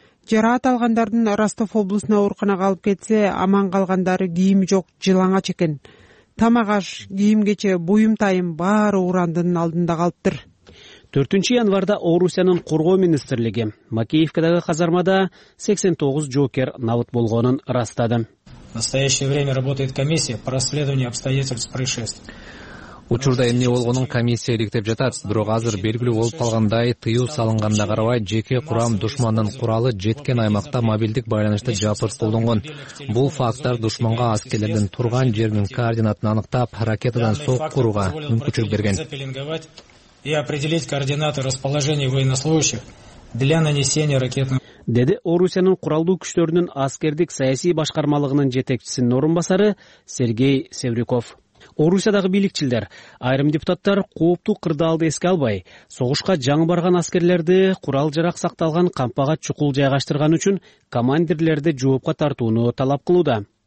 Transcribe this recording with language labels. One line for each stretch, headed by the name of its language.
Kyrgyz: Жараат алгандардын Ростов облусуна ооруканага алып кетсе, аман калгандары кийими жок жылаңач экен. Тамак аш, кийим кече, буюм тайым баары урандынын алдында калыптыр. 4 январда Орусиянын коргоо министрлиги Макеевкадагы казармада 89 жоокер наут болгонун ырастады.
Russian: В настоящее время работает комиссия по расследованию обстоятельств происшествия.
Kyrgyz: Учурда эмне болгонун комиссия иликтеп жатат, бирок азыр белгилүү болуп калгандай тыюу салынганда карабай жеке курам душмандын куралы жеткен аймакта мобилдик байланышты жапырт колдонгон. Бул фактор душманга аскерлердин турган жеринин координатын аныктап, ракетадан сокку курууга мүмкүнчүлүк берген.
Russian: И определить координаты расположения военнослужащих для нанесения ракетных.
Kyrgyz: Деди Орусиянын куралдуу күчтөрүнүн аскердик саясий башкармалыгынын жетекчисинин орун басары Сергей Севрюков. Орусиядагы бийликчилдер, айрым депутаттар кооптуу кырдаалды эске албай, согушка жаңы барган аскерлерди курал жарак сакталган кампага чукул жайгаштырган үчүн командирлерди жоопко тартууну талап кылууда.